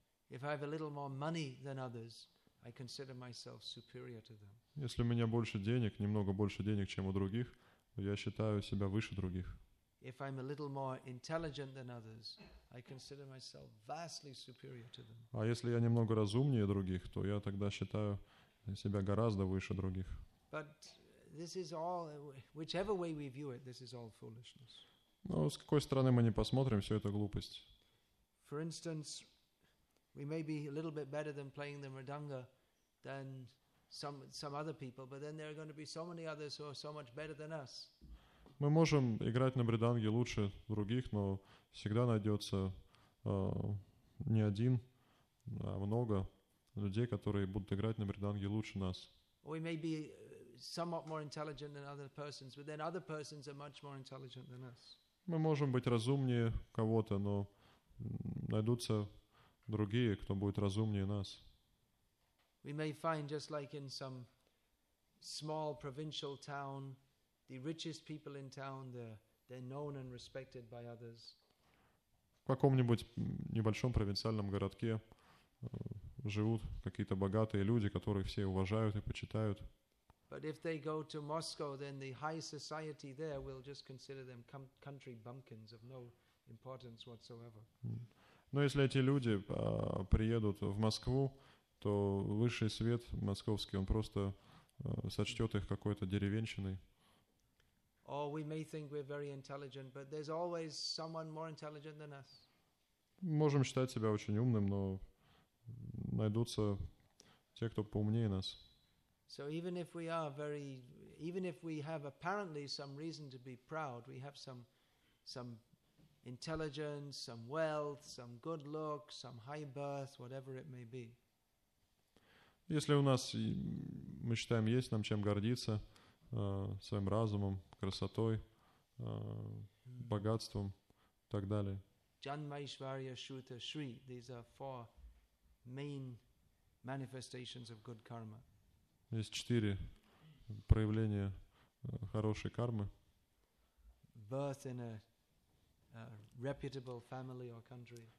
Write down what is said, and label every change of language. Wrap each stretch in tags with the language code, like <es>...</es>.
<en>If I have a little more money than others, I consider myself superior to them.</en> <ru>Если у меня больше денег, немного больше денег, чем у других, я считаю себя выше других.</ru> <en>If I'm a little more intelligent than others, I consider myself vastly superior to them.</en> <ru>А если я немного разумнее других, то я тогда считаю себя гораздо выше других.</ru> <en>But this is all, whichever way we view it, this is all foolishness.</en> <ru>Но с какой стороны мы не посмотрим, все это глупость.</ru> <en>For instance, we may be a little bit better than playing the mridanga than some other people, but then there are going to be so many others who are so much better than us.</en> <ru>Мы можем играть на мриданге лучше других, но всегда найдется не один, а много людей, которые будут играть на мриданге лучше нас.</ru> <en>We may be somewhat more intelligent than other persons, but then other persons are much more intelligent than us.</en> <ru>Мы можем быть разумнее кого-то, но найдутся другие, кто будет разумнее нас.</ru> <en>We may find, just like in some small provincial town, the richest people in town, they're known and respected by others.</en> <ru>В каком-нибудь небольшом провинциальном городке живут какие-то богатые люди, которых все уважают и почитают.</ru> <en>But if they go to Moscow, then the high society there will just consider them country bumpkins of no importance whatsoever.</en> <ru>Но если эти люди приедут в Москву, то высший свет московский, он просто сочтет их какой-то деревенщиной.</ru> <en>Or we may think we're very intelligent, but there's always someone more intelligent than us.</en> <ru>Можем считать себя очень умным, но найдутся те, кто поумнее нас.</ru> <en>So even if we have apparently some reason to be proud, we have some intelligence, some wealth, some good looks, some high birth, whatever it may be.</en> <ru>Если у нас, мы считаем, есть нам чем гордиться, своим разумом, красотой, богатством и так далее.</ru> <en>Janmaishvarya, Shuta, Shri, these are four main manifestations of good karma.</en> <ru>Есть четыре проявления хорошей кармы.</ru> <en>Birth in a reputable family or country.</en>